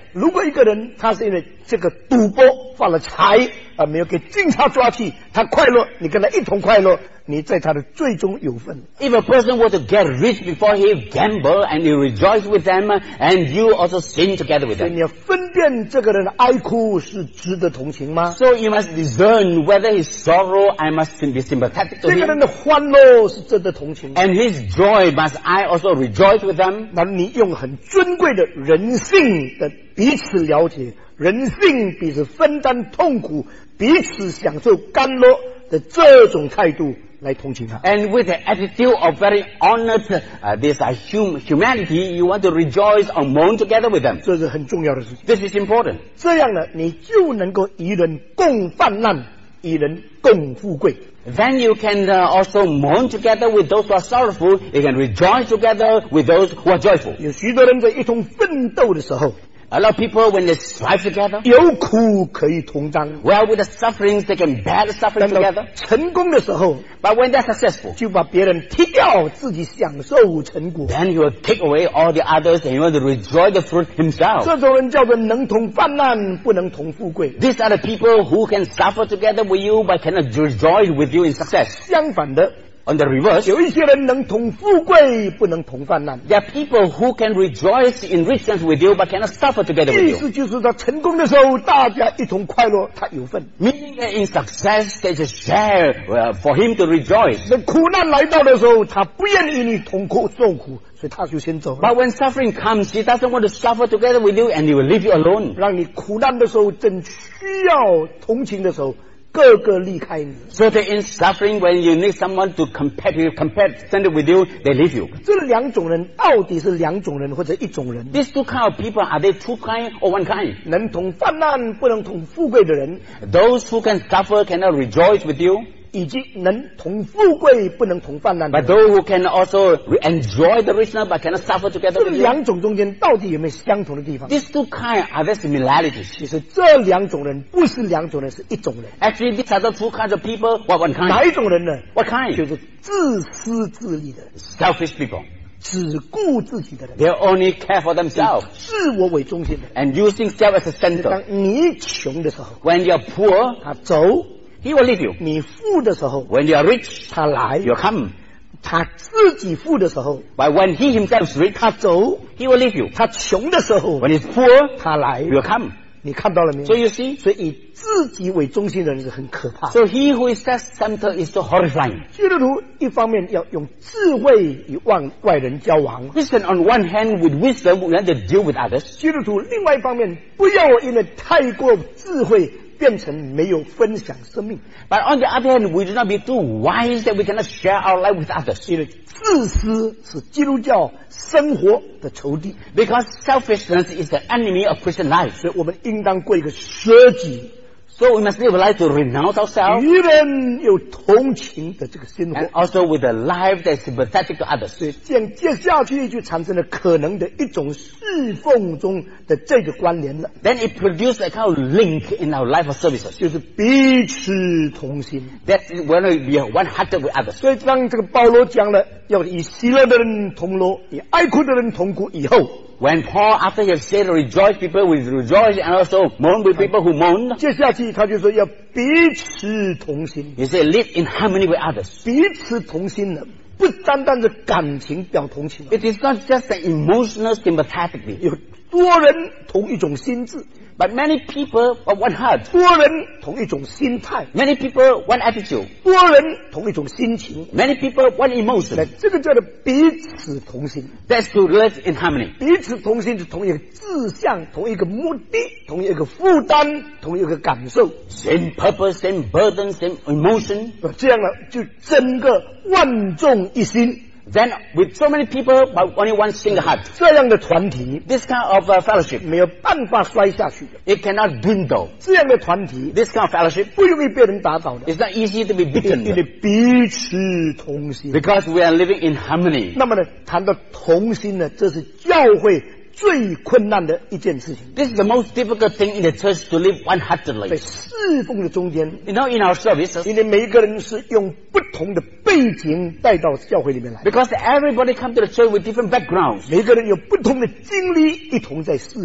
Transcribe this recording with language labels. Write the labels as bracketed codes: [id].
[zh] 如果一个人他是因为这个赌博发了财而没有给警察抓去他快乐你跟他一同快乐你在他的最终有份 [en] If a person were to get rich before he gamble and you rejoice with them and you also sin together with them [zh] 所以你要分辨这个人的哀哭是值得同情吗 [en] So you must discern whether his sorrow I must be sympathetic to him [zh] 这个人的欢乐是值得同情 [en] And his joy must I also rejoice with them [zh] 那你用很尊贵的人性的彼此了解人性彼此分担痛苦彼此享受甘乐的这种态度来同情他 [en] and with the attitude of very honored humanity you want to rejoice or mourn together with them [zh] 这是很重要的事情 [en] this is important [zh] 这样呢你就能够与人共患难与人共富贵 [en] then you can also mourn together with those who are sorrowful you can rejoice together with those who are joyful [zh] 有许多人在一同奋斗的时候 [en] A lot of people, when they strive together, [zh] 有苦可以同当 [en] Well, with the sufferings, they can bear the suffering together. [zh] 成功的时候 [en] But when they're successful, [zh] 就把别人踢掉自己享受成果 [en] Then he will take away all the others and he will enjoy the fruit himself. [zh] 这种人叫做能同患难，不能同富贵 [en] These are the people who can suffer together with you but cannot rejoice with you in success. [zh] 相反的 [en] On the reverse, [zh] 有一些人能同富贵，不能同患难。 [en] There are people who can rejoice in riches with you, but cannot suffer together with you. [zh] 意思就是他成功的时候，大家一同快乐，他有份。 [en] Meaning that in success, there's a share for him to rejoice. [zh] 那苦难来到的时候，他不愿意你同苦受苦。所以他就先走了。 [en] But when suffering comes, he doesn't want to suffer together with you, and he will leave you alone. [zh] 让你苦难的时候，正需要同情的时候。各个离开你 [en] So that in suffering when you need someone to compassion with you they leave you [zh] 这两种人到底是两种人或者一种人 [en] These two kind of people are they two kind or one kind [zh] 能同患难不能同富贵的人 [en] Those who can suffer cannot rejoice with you [zh] 以及能同富贵不能同患难 [en] But those who can also enjoy the richness but cannot suffer together with you [zh] 这两种中间到底有没有相同的地方 [en] These two kind are they similarities [zh] 其实这两种人不是两种人是一种人 [en] Actually, these are the two kinds of people. What one kind? [zh] 哪一种人呢 [en] What kind? [zh] 就是自私自利的 [en] Selfish people. [zh] 只顾自己的人 [en] They only care for themselves. [zh] 自我为中心的 [en] And using self as a center. [zh] 当你穷的时候 [en] When you're poor, [zh] 他走 [en] He will leave you. [zh] 你富的时候 [en] When you're rich, [zh] 他来 [en] You'll come. [zh] 他自己富的时候 [en] But when he himself is rich, [zh] 他走 [en] He will leave you. [zh] 他穷的时候 [en] When he's poor, [zh] 他来 [en] You'll come. [zh] 你看到了没有 [en] So you see, [zh] 所以以自己为中心的人是很可怕 [en] So he who is self-centered is so horrifying [zh] 基督徒一方面要用智慧与外人交往 [en] Christian on one hand with wisdom we have to deal with others [zh] 基督徒另外一方面不要因为太过智慧变成没有分享生命 [en] But on the other hand we do not be too wise that we cannot share our life with others [zh] 因为自私是基督教生活的仇敌 [en] Because selfishness is the enemy of Christian life [zh] 所以我们应当过一个舍己 [en] So we must live a life to renounce ourselves [zh] 与人有同情的这个心 [en] And also with a life that is sympathetic to others [zh] 所以这样接下去就产生了可能的一种侍奉中的这个关联了 [en] Then it produces a kind of link in our life of services [zh] 就是彼此同心 [en] That is when we are one hearted with others [zh] 所以当这个保罗讲了要以喜乐的人同乐以哀哭的人同哭以后 [en] when Paul, after he has said rejoice, people will rejoice, and also mourn with people who mourn. [zh] 接下去他就说要彼此同心。 [en] He said, live in harmony with others. [zh] 彼此同心呢，不单单是感情表同情。 [en] It is not just the emotional sympathetically. [zh] 有多人同一种心智。 [en] But many people of one heart. [zh] 多人同一种心态。 [en] Many people one attitude. [zh] 多人同一种心情。 [en] Many people one emotion. [zh] 这个叫做彼此同心。 [en] That's to live in harmony. [zh] 彼此同心是同一个志向，同一个目的，同一个负担，同一个感受。 [en] Same purpose, same burden, same emotion. [zh] 这样呢，就整个万众一心。 [en] Then with so many people but only one single heart. [zh] 这样的团体 [en] this kind of fellowship [zh] 没有办法摔下去的。 [en] It cannot dwindle. [zh] 这样的团体 [en] this kind of fellowship [zh] 不容易被人打倒的。 [en] It's not easy to be beaten. [zh] 因为彼此同心。 [en] Because we are living in harmony. [zh] 那么呢，谈到同心呢，这是教会最困难的一件事情。 [en] This is the most difficult thing in the church to live one-heartedly. [zh] 在侍奉的中间 [en] you know, in our services, [zh] 因为每一个人是用不同的背景带到教会里面来。 [en] Because everybody come to the church with different backgrounds. [zh] 每个人有不同的经历一同在侍奉。